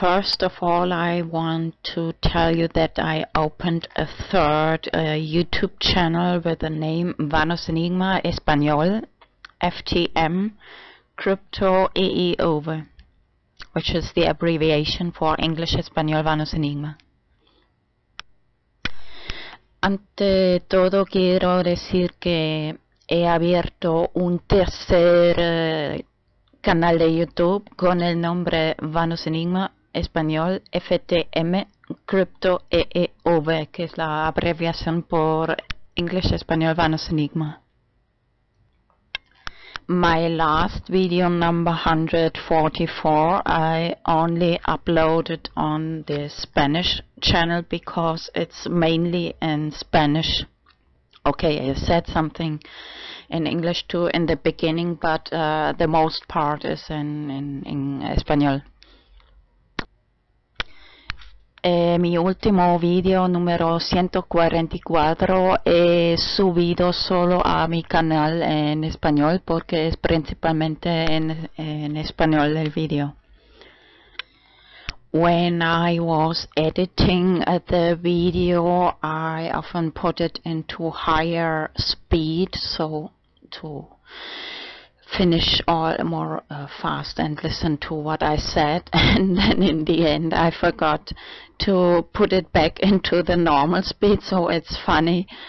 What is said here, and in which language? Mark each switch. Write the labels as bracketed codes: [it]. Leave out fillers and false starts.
[en] First of all, I want to tell you that I opened a third YouTube channel with the name VanosEnigmA Español FTM CryptoEEV, which is the abbreviation for English, Español, VanosEnigmA. [es] Ante todo, quiero decir que he abierto un tercer canal de YouTube con el nombre VanosEnigmA Español FTM CryptoEEV, que es la abreviación por English, Español, VanosEnigmA. [en] My last video, number 144, I only uploaded on the Spanish channel because it's mainly in Spanish. Okay, I said something in English too in the beginning, but the most part is in Espanol. [es] Mi último video, número 144, he subido solo a mi canal en español porque es principalmente en español el video. [en] When I was editing the video, I often put it into higher speed so to finish all more fast and listen to what I said, and then in the end I forgot to put it back into the normal speed, so it's funny.